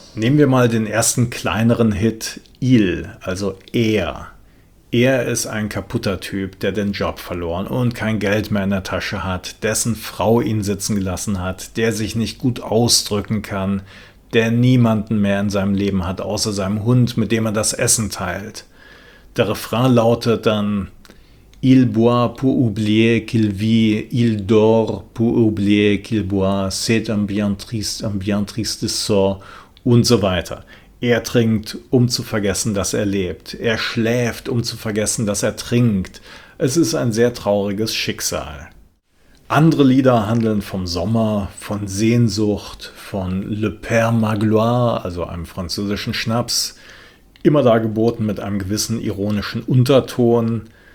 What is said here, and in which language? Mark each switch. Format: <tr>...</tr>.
<de>Nehmen wir mal den ersten kleineren Hit Il, also Er. Er ist ein kaputter Typ, der den Job verloren und kein Geld mehr in der Tasche hat, dessen Frau ihn sitzen gelassen hat, der sich nicht gut ausdrücken kann, der niemanden mehr in seinem Leben hat, außer seinem Hund, mit dem er das Essen teilt. Der Refrain lautet dann:</de> <fr>Il boit pour oublier qu'il vit, il dort pour oublier qu'il boit, c'est un bien triste sort,</fr> <de>und so weiter. Er trinkt, um zu vergessen, dass er lebt. Er schläft, um zu vergessen, dass er trinkt. Es ist ein sehr trauriges Schicksal. Andere Lieder handeln vom Sommer, von Sehnsucht, von Le Père Magloire, also einem französischen Schnaps, immer dargeboten mit einem gewissen ironischen Unterton.</de>